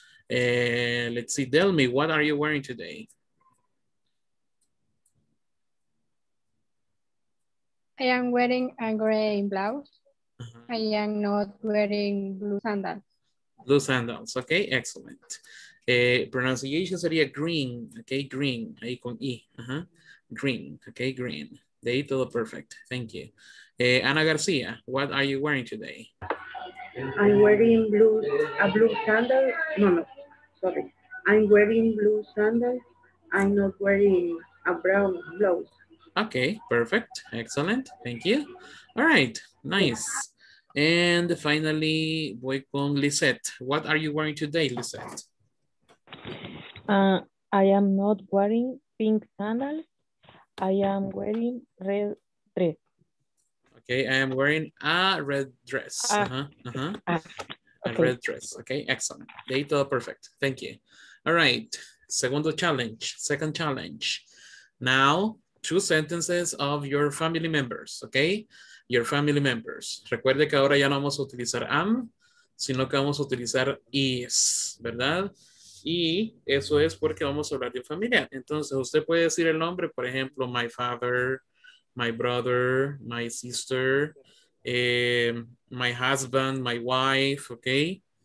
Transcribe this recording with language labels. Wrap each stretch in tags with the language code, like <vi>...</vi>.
<en>Let's see, Delmi, what are you wearing today? I am wearing a gray blouse. Uh-huh. I am not wearing blue sandals. Blue sandals, okay, excellent. Pronunciation</en> <es>sería</es> <en>green, okay, green,</en> <es>ahí con</es> <en>I. Uh-huh. Green, okay, green.</en> <es>De ahí todo</es> <en>perfect, thank you. Ana García, what are you wearing today? I'm wearing blue sandals. I'm not wearing a brown blouse. Okay, perfect. Excellent. Thank you. All right. Nice. And finally,</en> <es>voy con</es> <en>Lisette. What are you wearing today, Lisette? I am not wearing pink sandals. I am wearing red dress. Okay, I am wearing a red dress. A red dress. Okay, excellent. Data perfect. Thank you. All right. Second challenge. Now, two sentences of your family members, okay? Your family members.</en> <es>Recuerde que ahora ya no vamos a utilizar am, sino que vamos a utilizar is, ¿verdad? Y eso es porque vamos a hablar de familia. Entonces, usted puede decir el nombre, por ejemplo,</es> <en>my father, my brother, my sister, my husband, my wife, okay?</en>